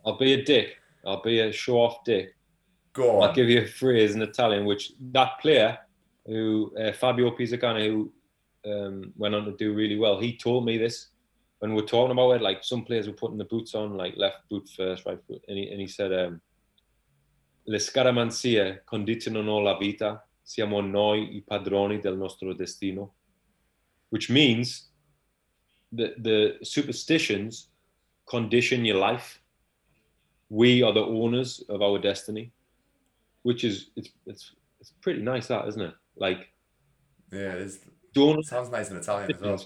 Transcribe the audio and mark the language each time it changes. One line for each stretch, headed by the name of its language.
English: I'll be a dick. I'll be a show-off dick. Go on. I'll give you a phrase in Italian, which that player, who Fabio Pizzicano, who went on to do really well, he told me this. When we're talking about it, like some players were putting the boots on, like left boot first, right foot. And he said,
Italian: le scaramanzie condizionano la vita. Siamo noi I padroni del nostro destino.
English: Which means the superstitions condition your life. We are the owners of our destiny. Which is, it's pretty nice that, isn't it? Like, yeah, it is. Don't sounds nice in Italian as well.